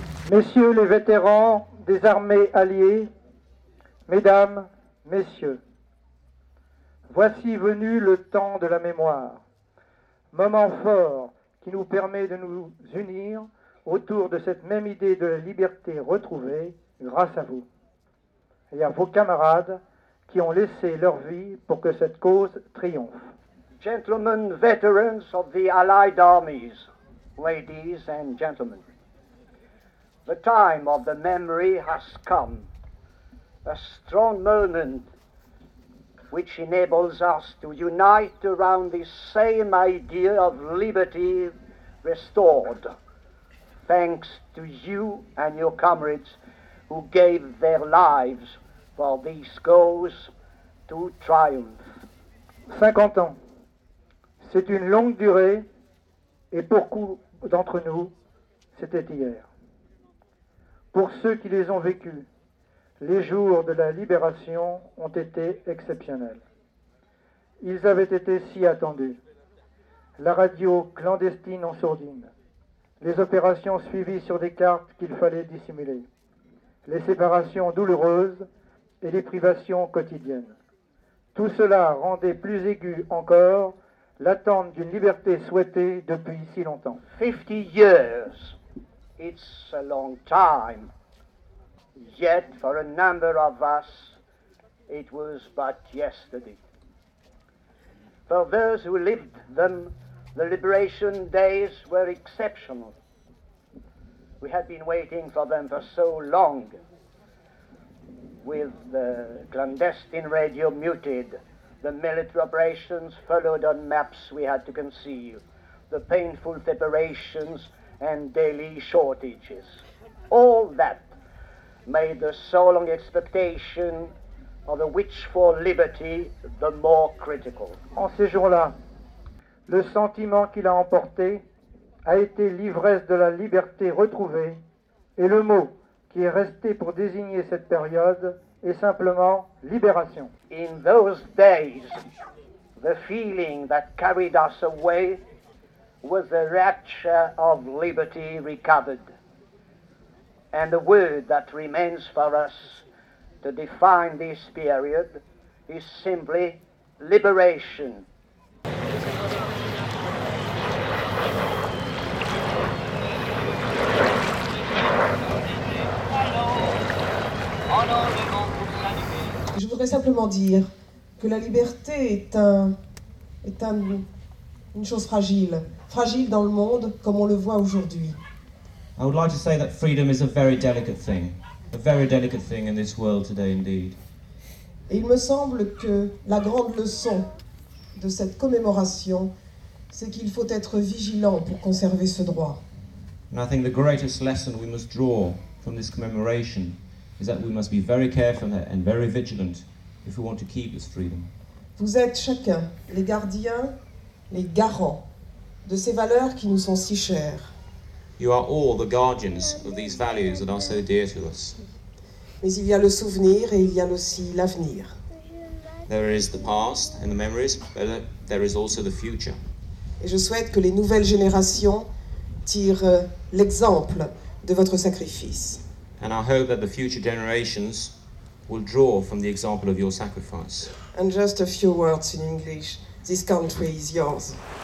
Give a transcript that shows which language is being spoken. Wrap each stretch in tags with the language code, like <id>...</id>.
<fr>Messieurs les vétérans des armées alliées, mesdames, messieurs, voici venu le temps de la mémoire, moment fort qui nous permet de nous unir autour de cette même idée de la liberté retrouvée grâce à vous et à vos camarades qui ont laissé leur vie pour que cette cause triomphe.</fr> <en>Gentlemen, veterans of the Allied armies, ladies and gentlemen, the time of the memory has come, a strong moment which enables us to unite around this same idea of liberty restored, thanks to you and your comrades who gave their lives for this cause to triumph.</en> <fr>50 ans. C'est une longue durée, et pour beaucoup d'entre nous, c'était hier. Pour ceux qui les ont vécus, les jours de la libération ont été exceptionnels. Ils avaient été si attendus. La radio clandestine en sourdine, les opérations suivies sur des cartes qu'il fallait dissimuler, les séparations douloureuses et les privations quotidiennes. Tout cela rendait plus aigu encore l'attente d'une liberté souhaitée depuis si longtemps.</fr> <en>50 years, it's a long time. Yet, for a number of us, it was but yesterday. For those who lived them, the liberation days were exceptional. We had been waiting for them for so long, with the clandestine radio muted, the military operations followed on maps we had to conceal, the painful separations and daily shortages. All that made the so long expectation of the wish for liberty the more critical.</en> <fr>En ces jours-là, le sentiment qu'il a emporté a été l'ivresse de la liberté retrouvée, et le mot qui est resté pour désigner cette période et simplement libération.</fr> <en>In those days, the feeling that carried us away was the rapture of liberty recovered, and the word that remains for us to define this period is simply liberation.</en> <fr>Je voudrais simplement dire que la liberté est une chose fragile dans le monde comme on le voit aujourd'hui.</fr> <en>I would like to say that freedom is a very delicate thing in this world today indeed.</en> <fr>Et il me semble que la grande leçon de cette commémoration, c'est qu'il faut être vigilant pour conserver ce droit.</fr> <en>And I think the greatest lesson we must draw from this commemoration is that we must be very careful and very vigilant if we want to keep this freedom.</en> <fr>Vous êtes chacun les gardiens, les garants de ces valeurs qui nous sont si chères.</fr> <en>You are all the guardians of these values that are so dear to us.</en> <fr>Mais il y a le souvenir et il y a aussi l'avenir.</fr> <en>There is the past and the memories, but there is also the future.</en> <fr>Et je souhaite que les nouvelles générations tirent l'exemple de votre sacrifice.</fr> <en>And I hope that the future generations will draw from the example of your sacrifice. And just a few words in English. This country is yours.</en>